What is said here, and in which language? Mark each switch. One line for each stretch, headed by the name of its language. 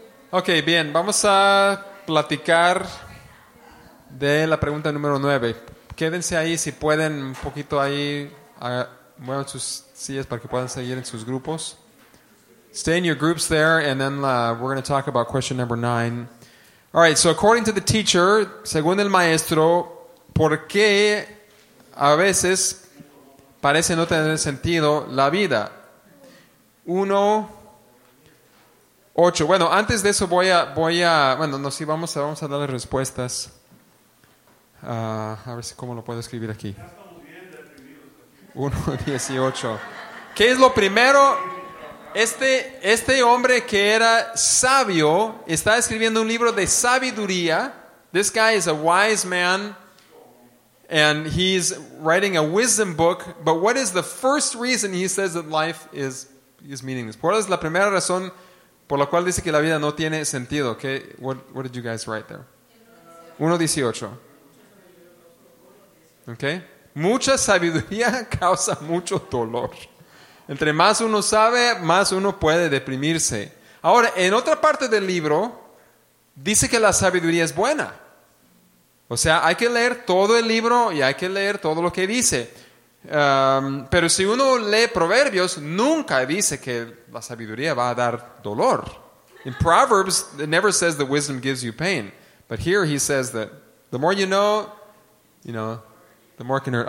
Spanish: Ok, bien, vamos a platicar de la pregunta número 9. Quédense ahí si pueden un poquito ahí, muevan sus sillas para que puedan seguir en sus grupos.
English: Stay in your groups there and then we're going to talk about question number 9. All right, so according to the teacher,
Spanish: según el maestro, ¿por qué a veces parece no tener sentido la vida? Uno... 8. Bueno, antes de eso vamos a dar las respuestas. A ver si cómo lo puedo escribir aquí. 1:18. ¿Qué es lo primero? Este hombre que era sabio está escribiendo un libro de sabiduría.
English: This guy is a wise man and he's writing a wisdom book, but what is the first reason he says that life is meaningless?
Spanish: ¿Cuál es la primera razón por lo cual dice que la vida no tiene sentido?
English: Okay, what did you guys write there? 1:18.
Spanish: Okay. Mucha sabiduría causa mucho dolor. Entre más uno sabe, más uno puede deprimirse. Ahora, en otra parte del libro, dice que la sabiduría es buena. O sea, hay que leer todo el libro y hay que leer todo lo que dice. Pero si uno lee Proverbios, nunca dice que la sabiduría va a dar dolor.
English: In Proverbs, it never says that wisdom gives you pain. But here he says that the more you know, the more can hurt.